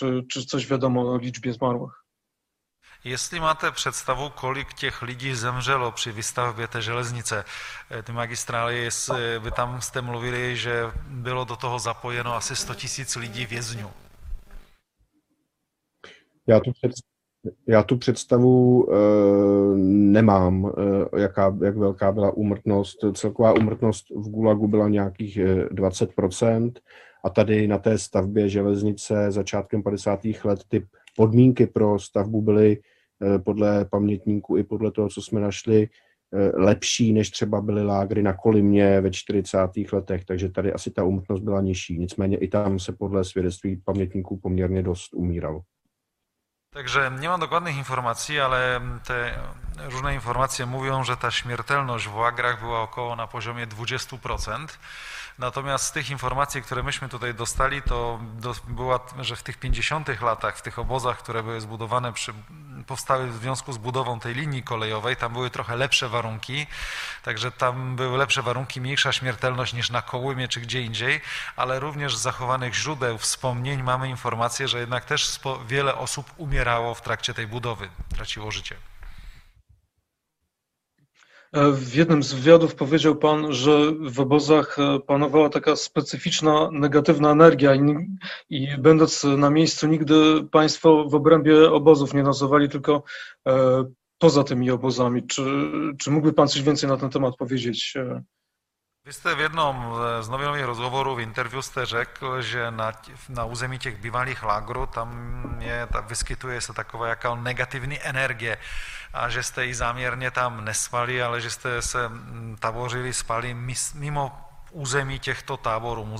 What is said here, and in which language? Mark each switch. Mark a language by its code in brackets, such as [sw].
[pl] Czy coś wiadomo o liczbie zmarłych? [cs] Jestli máte představu, kolik těch lidí zemřelo při výstavbě té železnice, ty magistrály, jestli by tam jste mluvili, že bylo do toho zapojeno asi 100 000 lidí vězňů? Já tu představu nemám, jak velká byla úmrtnost. Celková úmrtnost v Gulagu byla nějakých 20%, a tady na té stavbě železnice začátkem 50. let ty podmínky pro stavbu byly podle pamětníků i podle toho, co jsme našli, lepší, než třeba byly lágry na Kolymě ve 40. letech, takže tady asi ta úmrtnost byla nižší. Nicméně i tam se podle svědectví pamětníků poměrně dost umíralo. Takže nemám dokladných informací, ale ty různé informace mluví, že ta smrtelnost v lágrách byla okolo na poziomě 20%. [pl] Natomiast z tych informacji, które myśmy tutaj dostali, to była, że w tych 50. latach, w tych obozach, które były zbudowane, powstały w związku z budową tej linii kolejowej, tam były trochę lepsze warunki, także tam były lepsze warunki, mniejsza śmiertelność niż na Kołymie czy gdzie indziej, ale również z zachowanych źródeł wspomnień mamy informację, że jednak też wiele osób umierało w trakcie tej budowy, traciło życie. W jednym z wywiadów powiedział pan, że w obozach panowała taka specyficzna, negatywna energia i będąc na miejscu, nigdy państwo w obrębie obozów nie nocowali, tylko poza tymi obozami. Czy mógłby pan coś więcej na ten temat powiedzieć? [cs] Vy jste v jednom z novinových rozhovorů v interview jste řekl, že na území těch bývalých lágrů tam vyskytuje se taková jaká negativní energie a že jste ji záměrně tam nespali, ale že jste se tabořili, spali mimo území těchto táborů.